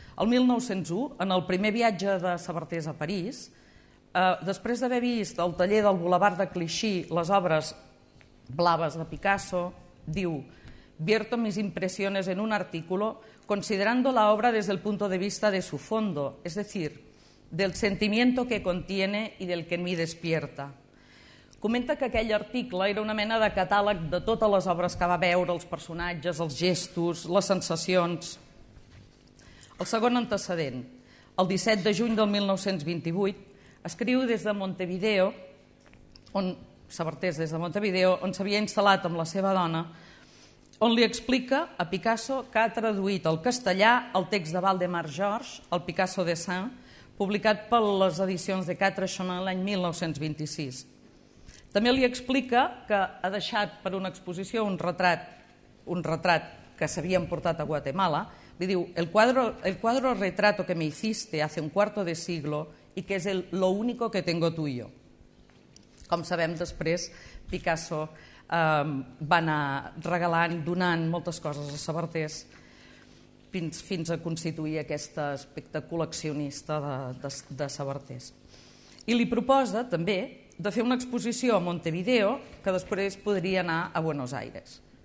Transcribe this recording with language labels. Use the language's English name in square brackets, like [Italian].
[Catalan] El 1901, en el primer viatge de Sabartés a París, després d'haver vist al taller del Boulevard de Clichy les obres blaves de Picasso, diu: [Spanish] «Vierto mis impresiones en un artículo considerando la obra desde el punto de vista de su fondo, es decir, del sentimiento que contiene y del que en mí despierta». [Catalan] Comenta que aquell article era una mena de catàleg de totes les obres que va veure, els personatges, els gestos, les sensacions. El segon antecedent, el 17 de juny del 1928, escriu des de Montevideo, on Sabartés des de Montevideo, on s'havia instal·lat amb la seva dona, on li explica a Picasso que ha traduït al castellà el text de Valdemar George, el Picasso de Saint, publicat per les edicions de Quatre Chemins l'any 1926. També li explica que ha deixat per una exposició un retrat que s'havia emportat a Guatemala. Li diu: [Spanish] el cuadro retrato que me hiciste hace un cuarto de siglo y que es lo único que tengo tuyo. [Catalan] Com sabem, després Picasso va anar regalant, donant moltes coses a Sabartés fins a constituir aquest aspecte col·leccionista de Sabartés. I li proposa també de fer una exposició a Montevideo que després podria anar a Buenos Aires.